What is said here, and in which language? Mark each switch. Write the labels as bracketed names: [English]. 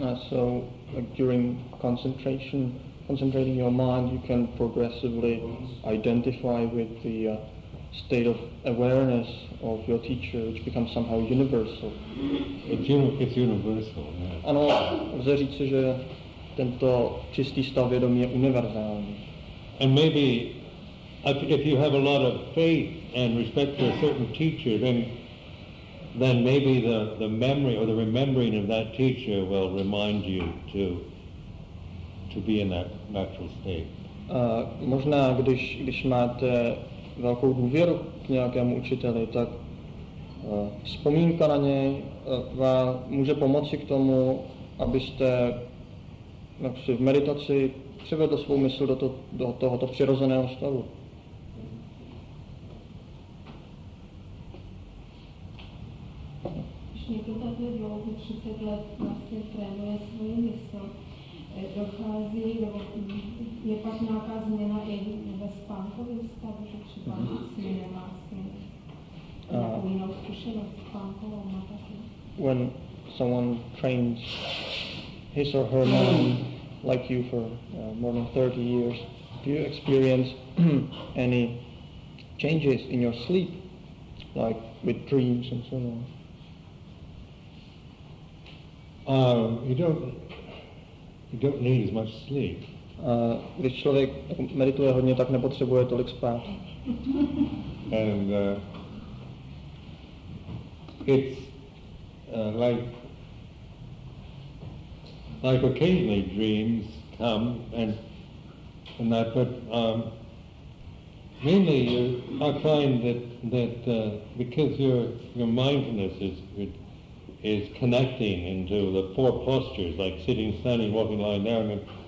[English] So during concentrating your mind, you can progressively identify with the state of awareness of your teacher, which becomes somehow universal. It's universal, yeah. [Czech] Ano, lze říci, že tento čistý stav vědomí je univerzální. [English] And maybe if you have a lot of faith and respect for a certain teacher, then maybe the memory or the remembering of that teacher will remind you to be in that natural state. [Czech] Možná když máte velkou důvěru k nějakému učiteli, tak vzpomínka na něj vám může pomoci k tomu, abyste jaksi v meditaci přivedl svou mysl do tohoto přirozeného stavu. Už někdo takhle dlouho, 30 let, vlastně trénuje svoji mysl, dochází, nebo je pak nějaká změna i ve spánkovém stavu, že třeba nic nemá s tím jinou zkušenost spánkovou matatí? [English] When someone trains his or her mind, like you for more than 30 years, do you experience any changes in your sleep, like with dreams and so on? You don't need as much sleep. [Czech] Když člověk medituje hodně, tak nepotřebuje tolik spát. [English] And it's like occasionally dreams come and that, but mainly I find that because your mindfulness is connecting into the four postures, like sitting, standing, walking, lying down, and